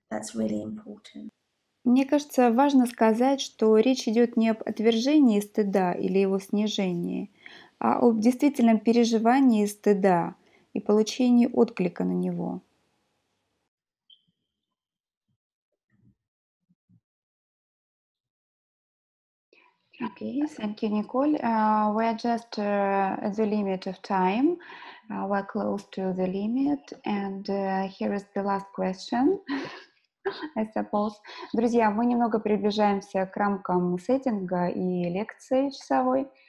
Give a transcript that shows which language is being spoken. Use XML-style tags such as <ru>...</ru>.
<en>That's really important.</en> <ru>Мне кажется, важно сказать, что речь идет не об отвержении стыда или его снижении, а об действительном переживании стыда и получении отклика на него.</ru> <en>Okay, thank you, Nicole. We're just at the limit of time. We're close to the limit. And here is the last question, I suppose.</en> <ru>Друзья, мы немного приближаемся к рамкам сеттинга и лекции часовой.</ru>